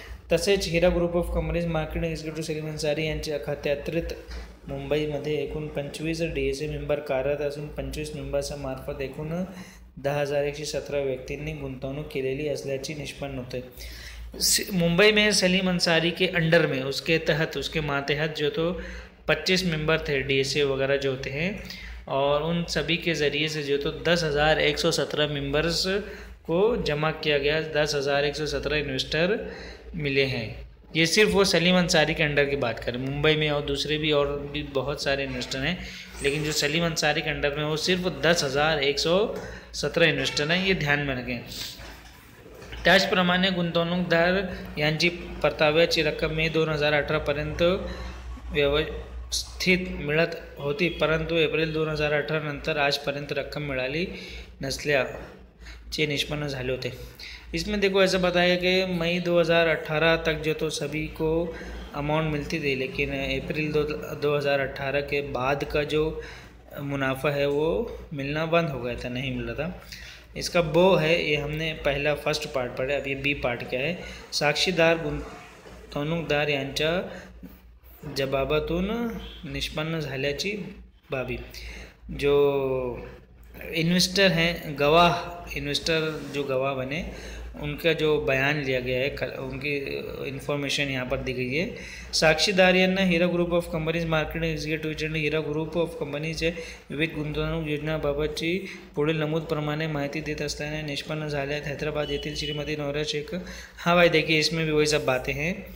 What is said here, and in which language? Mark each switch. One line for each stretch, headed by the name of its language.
Marathi: तसेच हिरा group of companies marketing executive Salim Ansari यांच्या खात्यातीत मुंबईमध्ये एकूण 25 DSA मेंबर कार्यरत असून 25 मेंबर्समार्फत एकूण 10,117 व्यक्तींनी गुंतवणूक केलेली असल्याची निष्पन्न होते.
Hindi: मुंबई में सलीम अंसारी के अंडर में, उसके तहत, उसके मातहत जो तो 25 मेंबर थे DSA वगैरह जो होते हैं, और उन सभी के ज़रिए से जो तो 10,117 मेंबर्स को जमा किया गया. 10,117 इन्वेस्टर मिले हैं. ये सिर्फ वो सलीम अंसारी के अंडर की बात करें. मुंबई में और दूसरे भी और भी बहुत सारे इन्वेस्टर हैं लेकिन जो सलीम अंसारी के अंडर में वो सिर्फ 10,117 इन्वेस्टर हैं, ये ध्यान में रखें.
Marathi: त्याचप्रमाणे गुंतवणूकदार यांची परताव्याची रक्कम मे 2018 पर्यंत व्यवस्थित मिळत होती, परंतु एप्रिल 2018 नंतर आजपर्यंत रक्कम मिळाली नसल्याचे निष्पन्न झाले होते.
Hindi: इसमें देखो ऐसा बताया कि मई 2018 तक जो तो सभी को अमाउंट मिलती थी लेकिन अप्रैल 2018 के बाद का जो मुनाफा है वो मिलना बंद हो गया था, नहीं मिल रहा था. इसका बो है, ये हमने पहला फर्स्ट पार्ट पढ़ा. अब ये बी पार्ट क्या है?
Marathi: साक्षीदार गुंतवणूकदार यांच्या जबाबातून निष्पन्न झाल्याची बाबी.
Hindi: जो इन्वेस्टर हैं, गवाह इन्वेस्टर जो गवाह बने उनका जो बयान लिया गया है, उनकी इन्फॉर्मेशन यहाँ पर दी गई है.
Marathi: साक्षीदार यांना हीरा group of companies marketing executive agent Heera group of companies विविध गुंतवणूक योजनाबाबतची पुढील नमूदप्रमाणे माहिती देत असताना निष्पन्न झाले आहेत हैदराबाद येथील श्रीमती नोहरा शेख.
Hindi: हां भाई, देखिए इसमें भी वही सब बातें हैं.